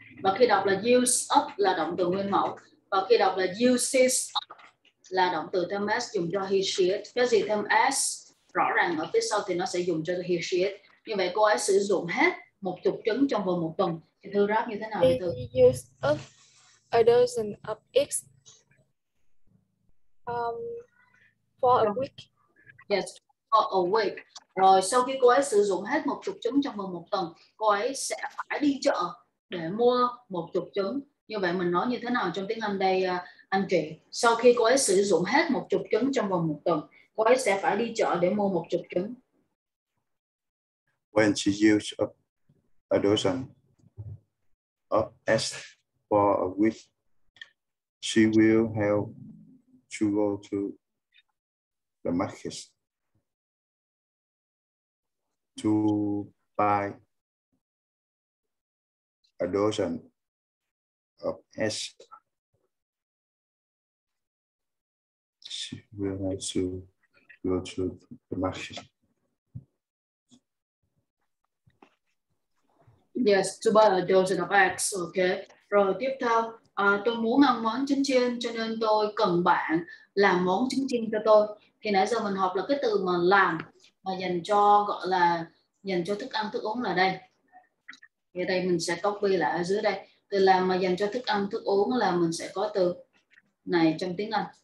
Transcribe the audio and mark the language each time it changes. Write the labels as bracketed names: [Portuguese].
[Vietnamese] Và khi đọc là use up là động từ nguyên mẫu. Và khi đọc là uses up là động từ thêm s dùng cho he she it. Cái gì thêm s rõ ràng ở phía sau thì nó sẽ dùng cho he she it. Như vậy cô ấy sử dụng hết một chục trứng trong vòng một tuần thì Thư rap như thế nào? [English] She used up a dozen of eggs for a week. Yes, for a week. [Vietnamese] Rồi sau khi cô ấy sử dụng hết một chục trứng trong vòng một tuần, cô ấy sẽ phải đi chợ để mua một chục trứng. Như vậy mình nói như thế nào trong tiếng Anh đây anh chị? Sau khi cô ấy sử dụng hết một chục trứng trong vòng một tuần, cô ấy sẽ phải đi chợ để mua một chục trứng. [English] When she used up a dozen of eggs for a week, she will have to go to the market. to buy a dozen of S. She will have to go to the market. Yes, to buy a dozen of eggs, okay. [Vietnamese] Rồi tiếp theo, tôi muốn ăn món trứng chiên cho nên tôi cần bạn làm món trứng chiên cho tôi. Thì nãy giờ mình học là cái từ mà làm, mà dành cho gọi là dành cho thức ăn, thức uống là đây. Thì đây mình sẽ copy lại ở dưới đây. Từ làm mà dành cho thức ăn, thức uống là mình sẽ có từ này trong tiếng Anh.